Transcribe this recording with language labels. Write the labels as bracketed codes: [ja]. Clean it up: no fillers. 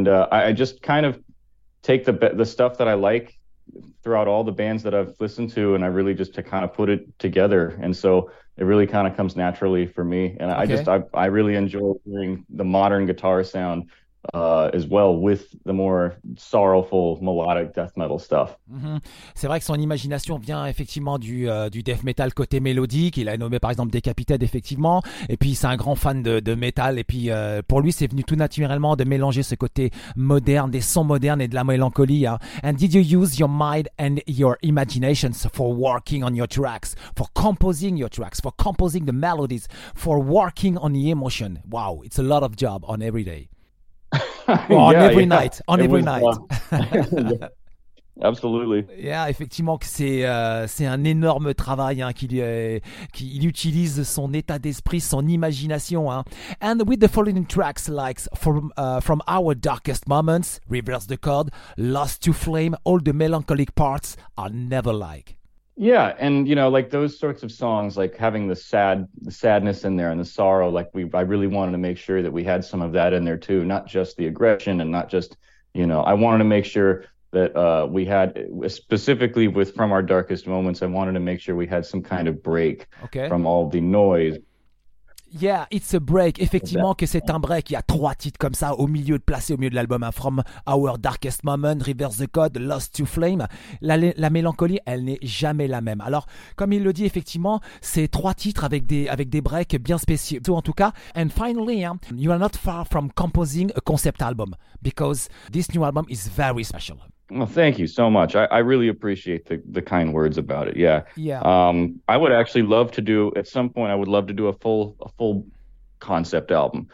[en] I just kind of take the stuff that I like throughout all the bands that I've listened to, and I really just to kind of put it together. And so it really kind of comes naturally for me. And okay. I really enjoy hearing the modern guitar sound as well with the more sorrowful melodic death metal stuff. Mm-hmm. [fr] C'est vrai que son imagination vient effectivement du death metal côté mélodique. Il a nommé par exemple Decapitated effectivement. Et puis c'est un grand fan de metal. Et puis pour lui, c'est venu tout naturellement de mélanger ce côté moderne, des sons modernes et de la mélancolie. Hein. [en] And did you use your mind and your imaginations for working on your tracks, for composing your tracks, for composing the melodies, for working on the emotion? Wow, it's a lot of job on every day. Well, yeah, on every night, on every night. Yeah. Absolutely. [fr] Yeah, effectivement, que c'est un énorme travail hein, qu'il utilise son état d'esprit, son imagination. Hein. [en] And with the following tracks, like from Our Darkest Moments, Reverse the Chord, Lost to Flame, all the melancholic parts are never like. Yeah, and you know, like those sorts of songs, like having the sadness in there and the sorrow, like I really wanted to make sure that we had some of that in there too, not just the aggression and not just, you know, I wanted to make sure that we had, specifically with From Our Darkest Moments, I wanted to make sure we had some kind of break from all the noise. Yeah, it's a break. [fr] Effectivement que c'est un break. Il y a trois titres comme ça au milieu de placé au milieu de l'album. [en] From Our Darkest Moment, Reverse the Code, Lost to Flame. [fr] La mélancolie, elle n'est jamais la même. Alors, comme il le dit, effectivement, c'est trois titres avec des breaks bien spéciaux. [en] So, [fr] en tout cas, [en] and finally, you are not far from composing a concept album because this new album is very special. Well, thank you so much. I really appreciate the kind words about it. Yeah. Yeah. I would actually love to do at some point. I would love to do a full concept album,